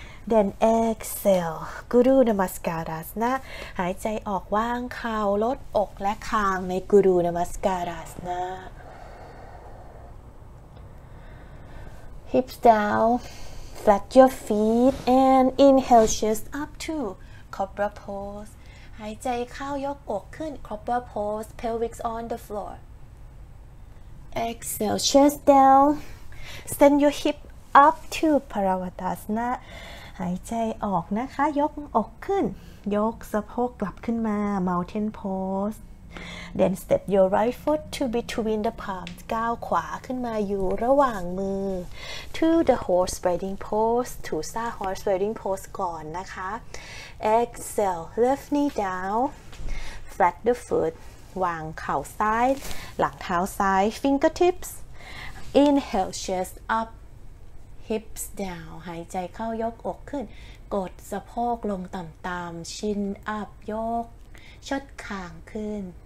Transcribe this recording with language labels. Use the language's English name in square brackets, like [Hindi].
[English] Then exhale Guru Namaskarasana [Thai] หายใจออกว่างเข่าลดอกและคางใน [English] Guru NamaskarasanaHips down, flat your feet, and inhale, chest up to Cobra Pose. [Thai] หายใจเข้ายกอกขึ้น Cobra Pose, [English] pelvic on the floor. Exhale, chest down, send your hip up to Paravatasana. [Thai] หายใจออกนะคะยกอกขึ้นยกสะโพกกลับขึ้นมา Mountain Pose. [English] Then step your right foot to between the palms [Thai] ก้าวขวาขึ้นมาอยู่ระหว่างมือ [English] to the horse riding pose to star horse riding pose ก่อนนะคะ exhale left knee down flat the foot [Thai] วางเข่าซ้ายหลังเท้าซ้าย [English] fingertips inhale chest up hips down [Thai] หายใจเข้ายกอกขึ้นกดสะโพกลงต่ำๆ [English] chin up [Thai] ยกชดคางขึ้น